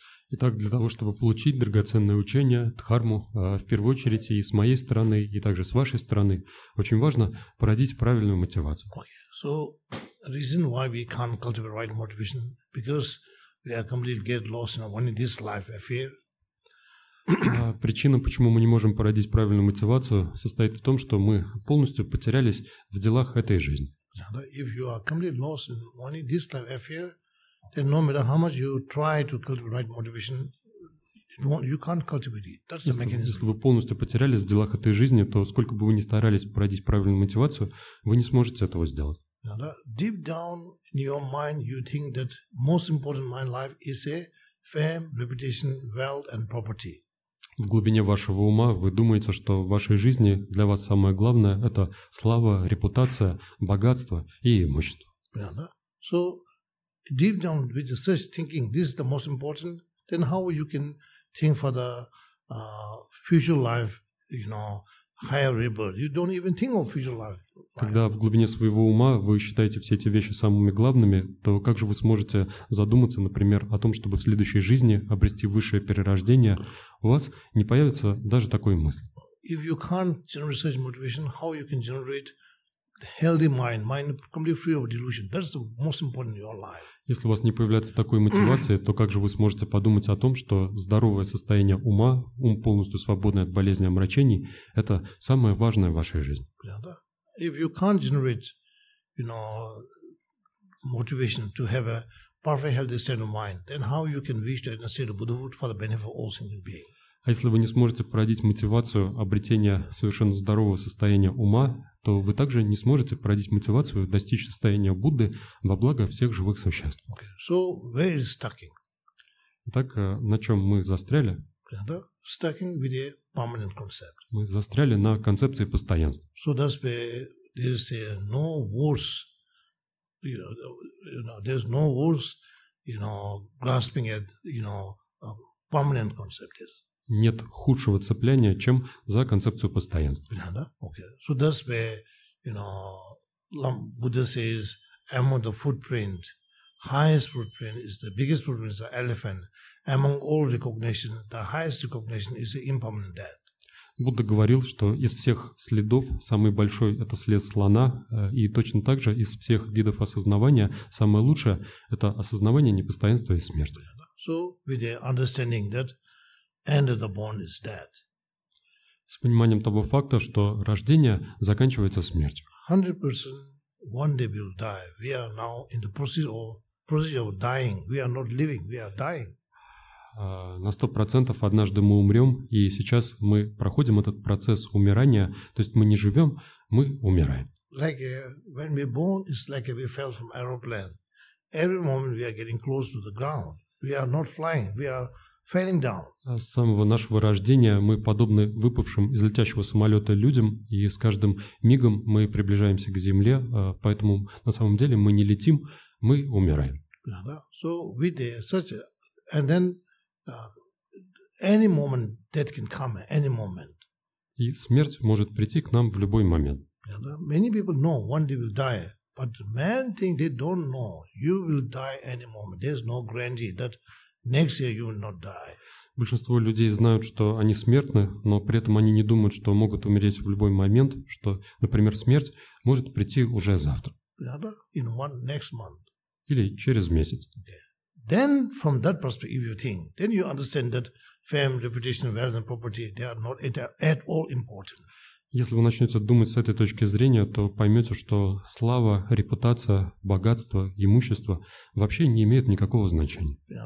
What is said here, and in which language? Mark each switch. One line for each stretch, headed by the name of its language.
Russian: Итак, для того, чтобы получить драгоценное учение, дхарму, в первую очередь и с моей стороны, и также с вашей стороны, очень важно породить правильную мотивацию.
English: Okay. So, reason why we can't cultivate right motivation, because we are completely get lost in only this life affair.
Russian: Причина, почему мы не можем породить правильную мотивацию, состоит в том, что мы полностью потерялись в делах этой жизни.
English: If you are completely lost in only this life affair, then no matter how much you try to cultivate right motivation, you can't cultivate it. That's the mechanism.
Russian: Если вы полностью потерялись в делах этой жизни, то сколько бы вы ни старались породить правильную мотивацию, вы не сможете этого сделать.
English: Now, deep down in your mind, you think that most important in my life is a fame, reputation, wealth and property.
Russian: В глубине вашего ума вы думаете, что в вашей жизни для вас самое главное – это слава, репутация, богатство и имущество.
English: Yeah,
Russian: да?
English: So, deep down with such thinking, this is the most important, then how you can think for the future life, you know, higher rebirth? You don't even think of future life.
Russian: Когда в глубине своего ума вы считаете все эти вещи самыми главными, то как же вы сможете задуматься, например, о том, чтобы в следующей жизни обрести высшее перерождение? У вас не появится даже такой мысли.
English: If you can't generate such motivation, how you can generate healthy mind, mind completely free of delusion? That's the most important in your life.
Russian: Если у вас не появляется такой мотивации, то как же вы сможете подумать о том, что здоровое состояние ума, ум полностью свободный от болезни и омрачений, это самое важное в вашей жизни?
English: If you can't generate, you know, motivation to have a perfect healthy state of mind, then how you can reach the state of Buddhahood for the benefit of all sentient beings?
Russian: А если вы не сможете породить мотивацию обретения совершенно здорового состояния ума, то вы также не сможете породить мотивацию достичь состояния Будды во благо всех живых существ.
English: Okay. So where is stucking?
Russian: Так на чем мы застряли?
English: Stucking with a permanent concept.
Russian: Мы застряли на концепции постоянства.
English: So that's where there's no worse, you know, there's no worse, you know, grasping at, you know, a permanent concept is.
Russian: Нет худшего цепляния, чем за концепцию постоянства.
English: Yeah,
Russian: да?
English: Okay. So that's where, you know, Buddha says among the footprint, highest footprint is the biggest footprint is the elephant. Among all recognition, the highest recognition is the impermanent death.
Russian: Будда говорил, что из всех следов самый большой – это след слона, и точно так же из всех видов осознавания самое лучшее – это осознавание непостоянства и смерти.
English: Yeah,
Russian: да?
English: So with the understanding that end of the bond is death.
Russian: С пониманием того факта, что рождение заканчивается смертью.
English: 100% one day will die. We are now in the process of dying. We are not living. We are dying.
Russian: На 100% однажды мы умрем, и сейчас мы проходим этот процесс умирания. То есть мы не живем, мы умираем.
English: Like when we born, it's like we fell from aeroplane. Every moment we are getting close to the ground. We are not flying. We are falling down.
Russian: С самого нашего рождения мы подобны выпавшим из летящего самолета людям, и с каждым мигом мы приближаемся к земле, поэтому на самом деле мы не летим, мы умираем.
English: So with the such, and then any moment death can come, any moment.
Russian: И смерть может прийти к нам в любой момент.
English: Many people know one day will die, but man think they don't know. You will die any moment. There's no guarantee that next year you will not die.
Russian: Большинство людей знают, что они смертны, но при этом они не думают, что могут умереть в любой момент, что, например, смерть может прийти уже завтра.
English: In one next month.
Russian: Или через месяц.
English: Okay. Then from that perspective you think, then you understand that fame, reputation, wealth and property, they are not at all important.
Russian: Если вы начнете думать с этой точки зрения, то поймете, что слава, репутация, богатство, имущество вообще не имеют никакого значения.